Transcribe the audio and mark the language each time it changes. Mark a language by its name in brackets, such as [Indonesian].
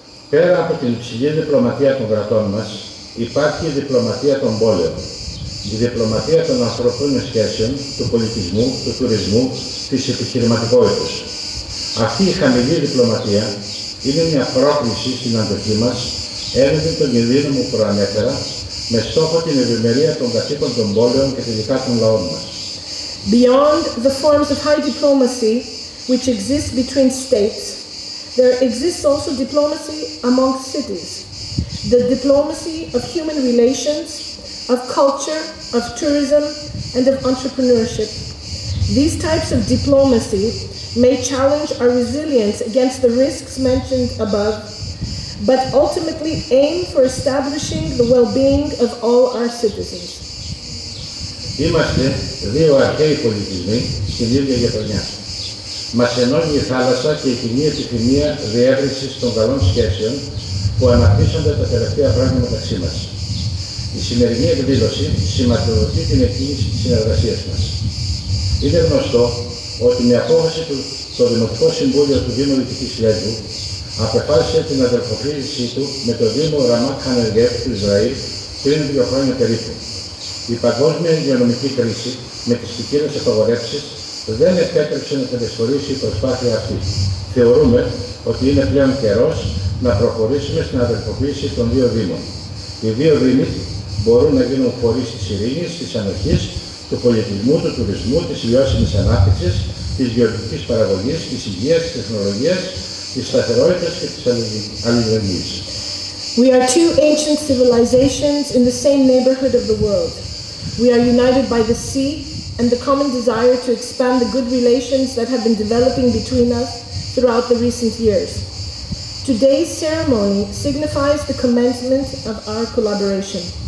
[Greek] Πέρα από την υψηλή διπλωματία των κρατών μας, υπάρχει η διπλωματία των πόλεων, η διπλωματία των ανθρωπίνων σχέσεων, του πολιτισμού, του τουρισμού, της επιχειρηματικότητας. Αυτή η χαμηλή διπλωματία είναι μια πρόκληση στην αντοχή μας έναντι των κινδύνων που προανέφερα, με στόχο την ευημερία των κατοίκων των πόλεων και τελικά των λαών μας. [English] Beyond the forms of high diplomacy which exist between states, there exists also diplomacy among cities. The diplomacy of human relations, of culture, of tourism, and of entrepreneurship. These types of diplomacy may challenge our resilience against the risks mentioned above, but ultimately aim for establishing the well-being of all our citizens. [Greek] Είμαστε δύο αρχαίοι πολιτισμοί στην ίδια γειτονιά. Μας ενώνει η θάλασσα και η κοινή επιθυμία διεύρυνσης των καλών σχέσεων που αναπτύσσονται τα τελευταία χρόνια μεταξύ μας. Η σημερινή εκδήλωση σηματοδοτεί την εκκίνηση της συνεργασίας μας. Είναι γνωστό ότι με απόφαση του το Δημοτικό Συμβούλιο του Δήμου Δυτικής Λέσβου απεφάσισε την αδελφοποίησή του με το Δήμο Ραμάτ Χανεργέφ του Ισραήλ πριν δύο χρόνια περίπου. Η παγκόσμια υγειονομική κρίση με τις ποικίλες απαγορεύσεις δεν επέτρεψε να κατασχολήσει η προσπάθεια αυτή. Θεωρούμε ότι είναι πλέον καιρός να προχωρήσουμε στην αδελφοποίηση των δύο Δήμων. Οι δύο Δήμοι μπορούν να γίνουν φορείς της ειρήνης, της ανοχής, του πολιτισμού, του τουρισμού, της βιώσιμης ανάπτυξης, της βιωτικής παραγωγής, της υγείας, της τεχνολογίας, της σταθερότητας και της αλληλεγγύης. [English] We are two ancient civilizations in the same neighborhood of the world. We are united by the sea and the common desire to expand the good relations that have been developing between us throughout the recent years. Today's ceremony signifies the commencement of our collaboration.